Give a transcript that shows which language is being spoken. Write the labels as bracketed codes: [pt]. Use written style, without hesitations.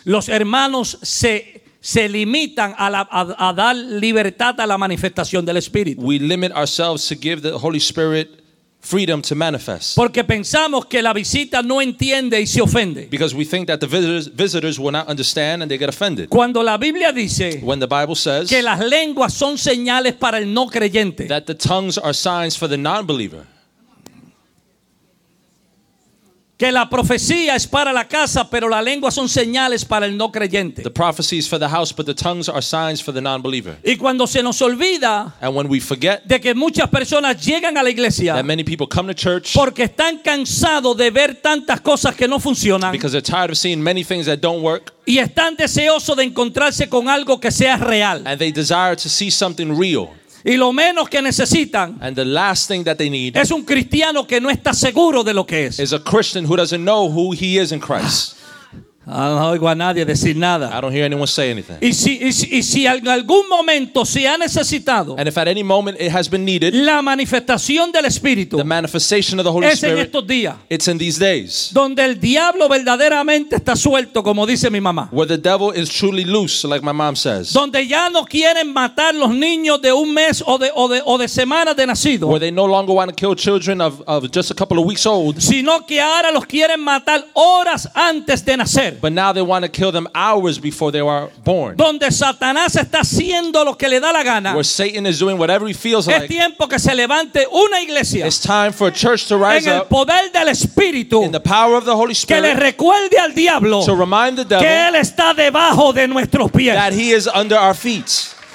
[es] los hermanos se limitan a dar libertad a la manifestación del Espíritu. [en] We limit ourselves to give the Holy Spirit freedom to manifest. [es] Porque pensamos que la visita no entiende y se ofende. [en] Because we think that the visitors will not understand and they get offended. [es] Cuando la Biblia dice, [en] when the Bible says, [es] que las lenguas son señales para el no creyente, [en] that the tongues are signs for the non-believer. [es] Que la profecía es para la casa, pero la lengua son señales para el no creyente. [en] The prophecy is for the house, but the tongues are signs for the non-believer. [es] Y cuando se nos olvida, [en] and when we forget, [es] de que muchas personas llegan a la iglesia, [en] that many people come to church, [es] porque están cansados de ver tantas cosas que no funcionan, [en] because they're tired of seeing many things that don't work, [es] y están deseosos de encontrarse con algo que sea real, [en] and they desire to see something real. [es] Y lo menos que necesitan, [en] and the last thing that they need, [es] es un cristiano que no está seguro de lo que es, [en] is a Christian who doesn't know who he is in Christ. [es] No oigo a nadie decir nada. [en] I don't hear anyone say anything. [es] Y si en algún momento se ha necesitado, [en] and if at any moment it has been needed, [es] la manifestación del Espíritu, [en] the manifestation of the Holy es Spirit, [es] es en estos días, [en] it's in these days, [es] donde el diablo verdaderamente está suelto, como dice mi mamá, [en] where the devil is truly loose, like my mom says, [es] donde ya no quieren matar los niños de un mes o de semana de nacido, [en] where they no longer want to kill children of just a couple of weeks old, [es] sino que ahora los quieren matar horas antes de nacer. [en] But now they want to kill them hours before they are born. [es] Donde Satanás está haciendo lo que le da la gana. [en] Where Satan is doing whatever he feels es like. [es] Es tiempo que se levante una iglesia. [en] It's time for a church to rise [es] en el poder del Espíritu, [en] in the power of the Holy Spirit. [es] Que le recuerde al diablo, [en] to remind the devil, [es] que él está debajo de nuestros pies, [en] that he is under our feet.